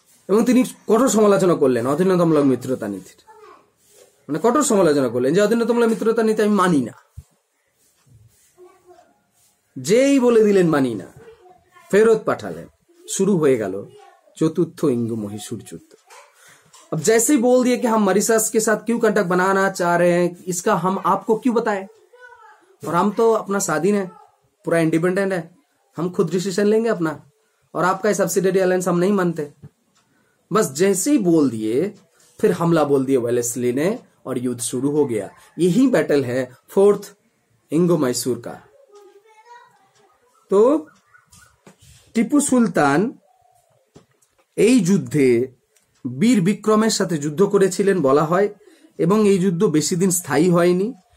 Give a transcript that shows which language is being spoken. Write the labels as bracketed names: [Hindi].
[Bangla] এবং তিনি কঠোর সমালোচনা করলেন অধীনতামূলক মিত্রতা নীতির, মানে কঠোর সমালোচনা করলেন যে অধীনতামূলক মিত্রতা নীতি আমি মানি না, যেই বলে দিলেন মানি না, ফেরত পাঠালেন, শুরু হয়ে গেল চতুর্থ ইঙ্গো মহীশূর যুদ্ধ। [Hindi] अब जैसे ही बोल दिए कि हम मॉरिशस के साथ क्यों कंटक बनाना चाह रहे हैं, इसका हम आपको क्यों बताएं, और हम तो अपना स्वाधीन है, पूरा इंडिपेंडेंट है, हम खुद डिसीजन लेंगे अपना, और आपका सब्सिडियरी अलायंस हम नहीं मानते। बस जैसे ही बोल दिए फिर हमला बोल दिए वेलेस्ली ने और युद्ध शुरू हो गया। यही बैटल है फोर्थ इंगो मैसूर का। [Bangla] तो टीपू सुल्तान युद्धे বীর বিক্রমের সাথে যুদ্ধ করেছিলেন বলা হয়, এবং এই যুদ্ধ বেশি দিন স্থায়ী হয়নি।